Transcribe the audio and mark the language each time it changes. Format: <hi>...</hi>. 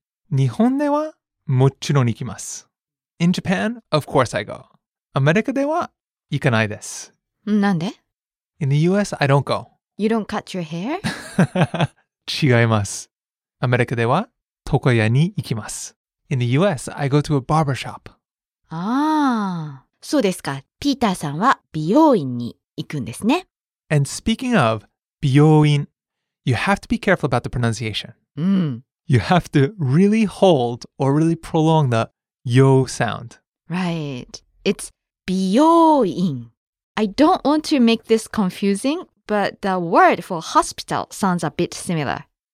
<ja>日本ではもちろん行きます。</ja> <en>In Japan, of course I go.</en> <ja>アメリカでは行かないです。なんで?</ja> <en>In the US, I don't go. You don't cut your hair?</en> <ja>違います。アメリカでは床屋に行きます。</ja> <en>In the US, I go to a barber shop.</en> <ja>ああ、そうですか。ピーターさんは美容院に行くんですね。</ja> <en>And speaking of, 美容院, you have to be careful about the pronunciation. You have to really hold or really prolong the yo sound. Right. It's 美容院. I don't want to make this confusing, but the word for hospital sounds a bit similar.</en>